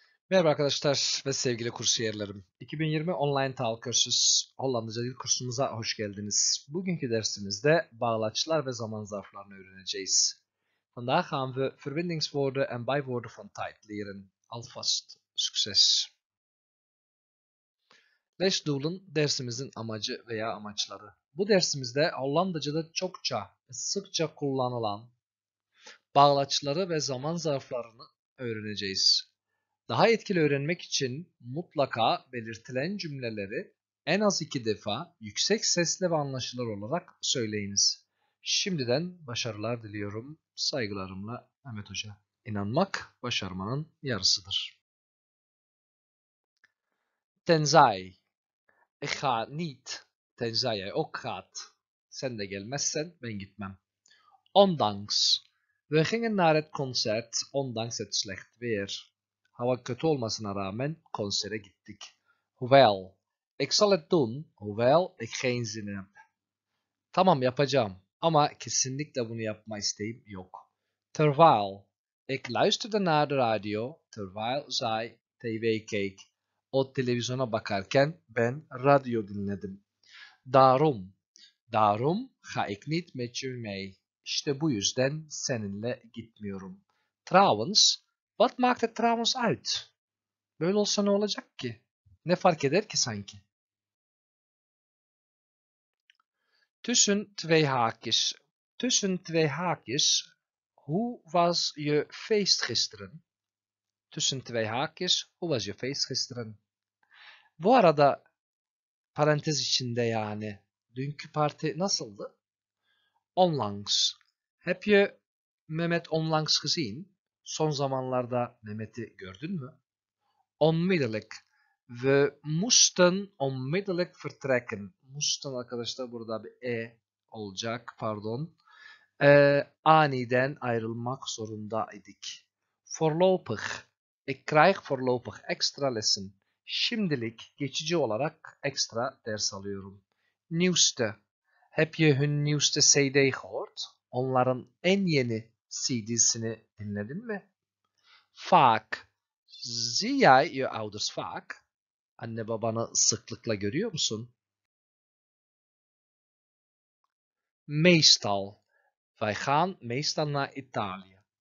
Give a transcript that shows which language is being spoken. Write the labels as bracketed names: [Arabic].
[Turkish] Merhaba arkadaşlar ve sevgili kursiyerlerim. 2020 Online Tal Kursus Hollandaca Dil Kursumuza hoş geldiniz. Bugünkü dersimizde bağlaçlar ve zaman zarflarını öğreneceğiz. [Dutch] Vandaag gaan we verbindingswoorden en bijwoorden van tijd leren. Alvast succes. [Turkish] Lesdoelen, dersimizin amacı veya amaçları. Bu dersimizde Hollandaca'da çokça, sıkça kullanılan bağlaçları ve zaman zarflarını öğreneceğiz. Daha etkili öğrenmek için mutlaka belirtilen cümleleri en az iki defa yüksek sesle ve anlaşılır olarak söyleyiniz. Şimdiden başarılar diliyorum. Saygılarımla Mehmet Hoca. İnanmak başarmanın yarısıdır. [Dutch] Tenzij. Ga niet. Tenzij jij ook gaat. [Turkish] Sen de gelmezsen ben gitmem. [Dutch] Ondanks. We gingen naar het concert ondanks het slecht weer. [Turkish] Hava kötü olmasına rağmen konsere gittik. [Dutch] Hoewel. Ik zal het doen. Hoewel ik geen zin heb. [Turkish] Tamam yapacağım. Ama kesinlikle bunu yapma isteğim yok. [Dutch] Terwijl. Ik luisterde naar de radio. Terwijl zij TV keek. [Turkish] O televizyona bakarken ben radyo dinledim. [Dutch] Daarom. Daarom ga ik niet met je mee. [Turkish] İşte bu yüzden seninle gitmiyorum. [Dutch] Trouwens. Wat maakt het trouwens uit? [Turkish] Böyle olsa ne olacak ki? Ne fark eder ki sanki? [Dutch] Tussen twee haakjes. Tussen twee haakjes. Hoe was je feest gisteren? Tussen twee haakjes. Hoe was je feest gisteren? [Turkish] Bu arada parantez içinde yani. Dünkü parti nasıldı? Onlangs. [Dutch] Heb je Mehmet onlangs gezien? [Turkish] Son zamanlarda Mehmet'i gördün mü? [Dutch] Onmiddellijk. We moesten onmiddellijk vertrekken. [Turkish] Moesten arkadaşlar burada bir e olacak. Pardon. Aniden ayrılmak zorundaydık. [Dutch] Voorlopig. Ik krijg voorlopig extra lessen. [Turkish] Şimdilik geçici olarak ekstra ders alıyorum. [Dutch] Nieuwste. Heb je hun nieuwste CD gehoord? [Turkish] Onların en yeni CD'sini dinledin mi? Vaak. [Dutch] Zie jij je ouders vaak? [Turkish] Anne babanı sıklıkla görüyor musun? [Dutch] Meestal. Wij gaan meestal naar Italië.